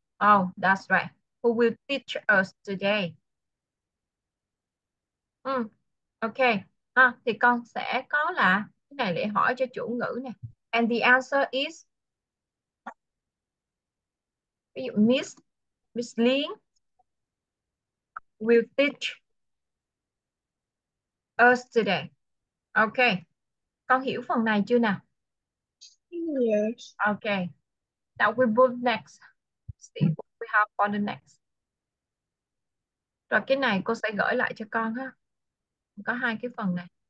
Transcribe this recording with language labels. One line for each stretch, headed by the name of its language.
English: Oh, that's right. Who will teach us today?
Vietnamese: Ok, à, thì con sẽ có là cái này để hỏi cho chủ ngữ nè.
English: And the answer is,
Vietnamese: ví dụ
English: Miss Lin will teach us today.
Vietnamese: Ok, con hiểu phần này chưa nào?
English: Yes. Ok, now we move next. See what we have on the next.
Vietnamese: Rồi cái này cô sẽ gửi lại cho con ha. Có hai cái phần này.